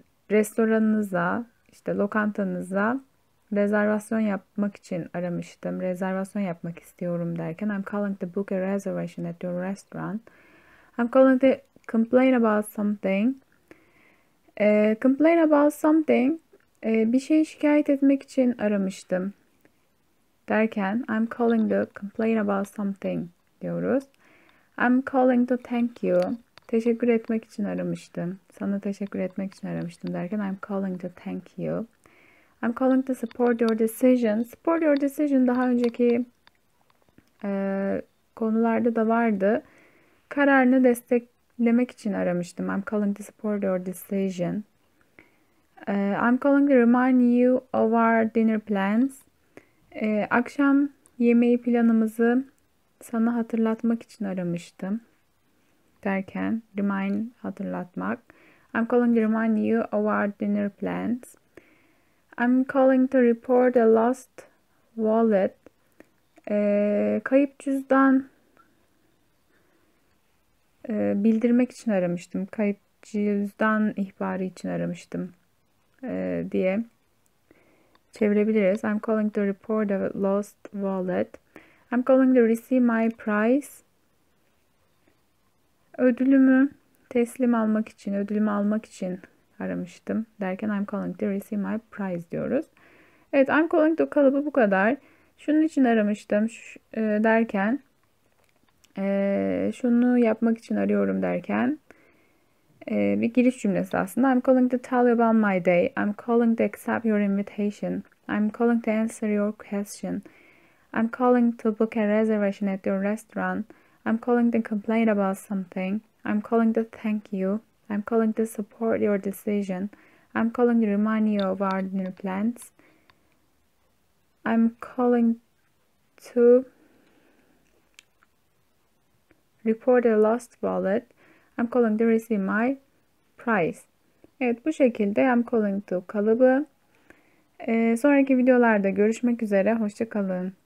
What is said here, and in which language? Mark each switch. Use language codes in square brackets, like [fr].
[tr] Restoranınıza, işte lokantanıza rezervasyon yapmak için aramıştım. Rezervasyon yapmak istiyorum derken [en] I'm calling to book a reservation at your restaurant. I'm calling to complain about something. Complain about something, [tr] bir şey şikayet etmek için aramıştım derken [en] I'm calling to complain about something [tr] diyoruz. [en] I'm calling to thank you, [tr] teşekkür etmek için aramıştım. Sana teşekkür etmek için aramıştım derken [en] I'm calling to thank you. I'm calling to support your decision. Support your decision [tr] daha önceki konularda da vardı. Kararını desteklemek için aramıştım. [en] I'm calling to support your decision. I'm calling to remind you of our dinner plans. [tr] Akşam yemeği planımızı sana hatırlatmak için aramıştım. Derken, remind hatırlatmak. [en] I'm calling to remind you of our dinner plans. I'm calling to report a lost wallet. [tr] Kayıp cüzdan bildirmek için aramıştım. Kayıp cüzdan ihbarı için aramıştım diye çevirebiliriz. [en] I'm calling to report a lost wallet. I'm calling to receive my prize. [tr] Ödülümü teslim almak için, ödülümü almak için aramıştım. Derken [en] I'm calling to receive my prize [tr] diyoruz. Evet, [en] I'm calling to [tr] kalıbı bu kadar. Şunun için aramıştım derken. Şunu yapmak için arıyorum derken bir giriş cümlesi aslında. [en] I'm calling to tell you about my day. I'm calling to accept your invitation. I'm calling to answer your question. I'm calling to book a reservation at your restaurant. I'm calling to complain about something. I'm calling to thank you. I'm calling to support your decision. I'm calling to remind you of our dinner plans. I'm calling to report a lost wallet. I'm calling to receive my prize. [tr] Evet, bu şekilde [en] I'm calling to [tr] kalıbı. Sonraki videolarda görüşmek üzere. Hoşça kalın.